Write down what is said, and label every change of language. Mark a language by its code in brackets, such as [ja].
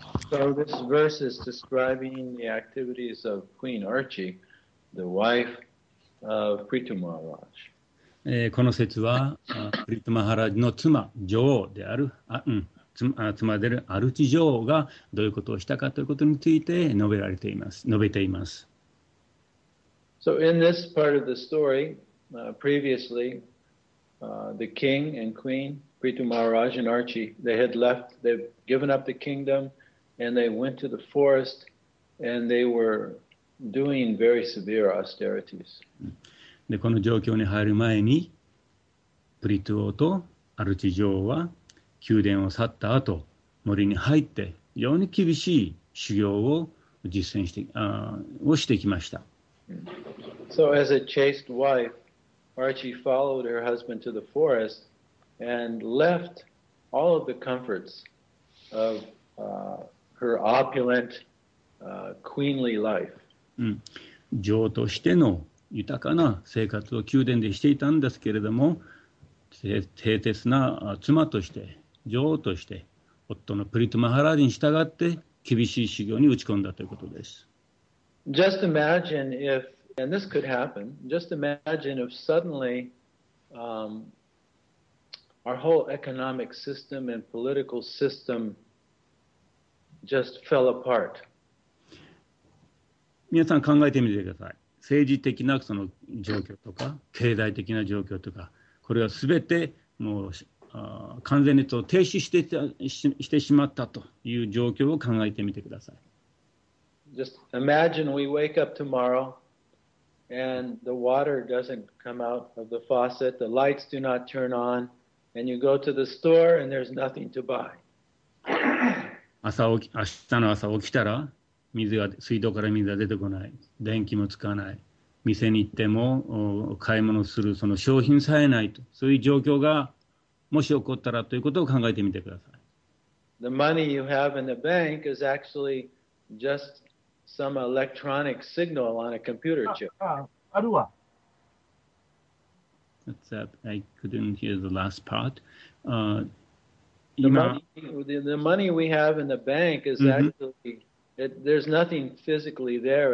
[en] So this verse is describing the activities of Queen Archie, the wife of Prithu Maharaj. [ja] この説は、プリトマハラジの妻、女王である、妻であるアルチ女王がどういうことをしたかということについて述べられています、述べています。 [en] So in this part of the story, previously, the king and queen, Prithu Maharaj and Archie, they had left, they've given up the kingdom, and they went to the forest, and they were doing very severe austerities. [ja] で、この状況に入る前に、プリトゥ王とアルチ女王は宮殿を去った後、森に入って、非常に厳しい修行を実践して、をしてきました。 [en] So as a chaste wife, Archie followed her husband to the forest and left all of the comforts of her opulent queenly life. [ja] 女王としての豊かな生活を宮殿でしていたんですけれども、清潔な妻として、女王として、夫のプリトマハラジに従って厳しい修行に打ち込んだということです。 [en] Just imagine if And this could happen. Just imagine if suddenly our whole economic system and political system just fell apart. [ja] 皆さん考えてみてください。政治的なその状況とか経済的な状況とか、これはすべてもう完全にと停止してしてしまったという状況を考えてみてください。 [en] Just imagine we wake up tomorrow and the water doesn't come out of the faucet, the lights do not turn on, and you go to the store and there's nothing to buy. [ja] 明日の朝起きたら水が水道から水が出てこない、電気もつかない、店に行っても買い物するその商品さえないと、そういう状況がもし起こったらということを考えてみてください。 [en] The money you have in the bank is actually just some electronic signal on a computer chip. [ja] あるわ。 [en] That's up. I couldn't hear the last part. The money we have in the bank is actually there's nothing physically there.